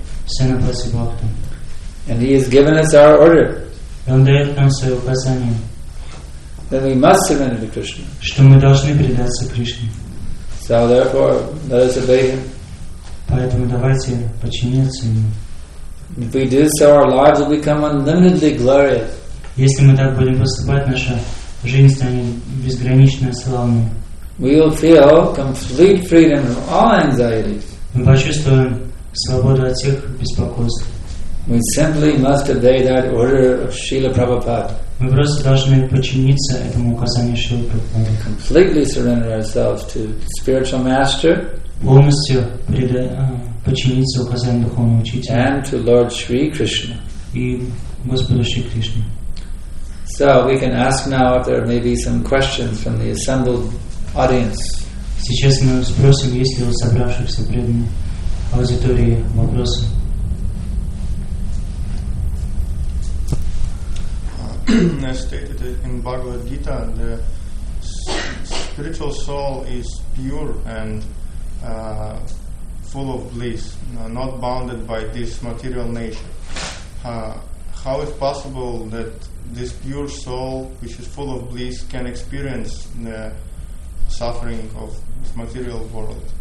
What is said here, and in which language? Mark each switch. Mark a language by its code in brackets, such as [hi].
[sa] Сенапати Бхакта. [en] And he has given us our order. [ru] Он дает нам свое указание. [en] Then we must surrender to Krishna. [ru] Что мы должны предаться Кришне. [en] So therefore, let us obey him. [ru] Поэтому давайте подчиниться ему. [en] If we do so, our lives will become unlimitedly glorious. [ru] Если мы так будем поступать, наша жизнь станет безгранично славной. [en] We will feel complete freedom from all anxieties. [ru] Мы почувствуем свободу от всех беспокойств. [en] We simply must obey that order of Srila Prabhupada. [ru] Мы просто должны подчиниться этому указанию Шрилы Прабхупады. [en] Completely surrender ourselves to spiritual master. [ru] Полностью подчиниться указанию духовного учителя. [en] And to Lord Sri Krishna. [ru] И Господу Шри Кришне. [en] So we can ask now if there may be some questions from the assembled audience. [ru] Сейчас мы спросим, есть ли у собравшихся преданной аудитории вопросы. [en] In Bhagavad Gita, the spiritual soul is pure and full of bliss, not bounded by this material nature. How is possible that this pure soul, which is full of bliss, can experience the suffering of this material world?